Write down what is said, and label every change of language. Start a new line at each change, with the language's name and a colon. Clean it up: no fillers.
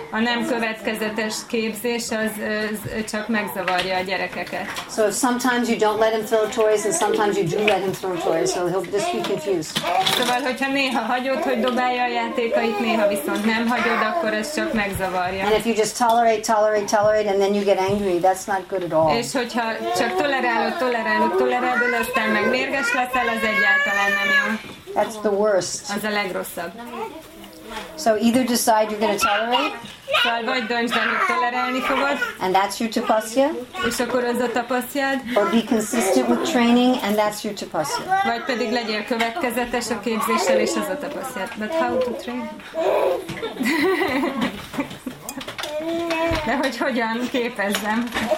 Hungarian: A nem következetes képzés az csak megzavarja a gyerekeket.
English: So if sometimes you don't let him throw toys and sometimes you do let him throw toys, so he'll just be confused.
Hungarian: Szóval, hogyha néha hagyod, hogy dobálja a játékait, néha viszont nem hagyod, akkor ez csak megzavarja.
English: And if you just tolerate, and then you get angry, that's not good at all.
Hungarian: És hogyha csak tolerálod, aztán meg mérges leszel, az egyáltalán nem jó.
English: That's the worst.
Hungarian: Az a legrosszabb.
English: So either decide you're going to tolerate.
Hungarian: Szóval vagy döntsd el, hogy tolerálni fogod.
English: And that's your tapasya.
Hungarian: És akkor az a tapasyád.
English: Or be consistent with training, and that's your tapasya.
Hungarian: Vagy pedig legyél következetes a képzéssel, és az a tapasyád.
English: But how to train?
Hungarian: De hogy hogyan képezzem?